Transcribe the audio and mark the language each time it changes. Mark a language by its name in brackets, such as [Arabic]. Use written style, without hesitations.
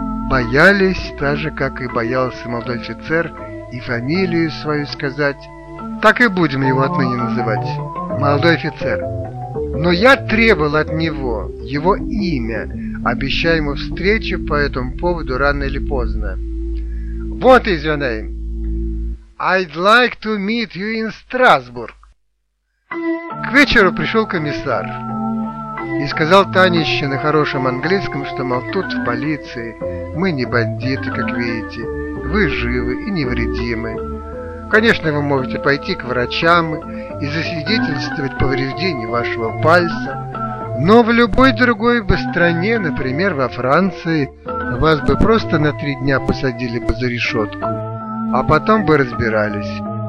[Russian] Боялись, так же, как и боялся молодой офицер, и фамилию свою сказать. Так и будем его отныне называть. Молодой офицер. Но я требовал от него его имя, обещая ему встречу по этому поводу рано или поздно. [English] What is your name? I'd like to meet you in Strasbourg. [Russian] К вечеру пришел комиссар и сказал Танище на хорошем английском, что, мол, тут в полиции мы не бандиты, как видите, вы живы и невредимы. Конечно, вы можете пойти к врачам и засвидетельствовать повреждение вашего пальца, но в любой другой бы стране, например, во Франции, вас бы просто на 3 дня посадили бы за решетку, а потом бы разбирались.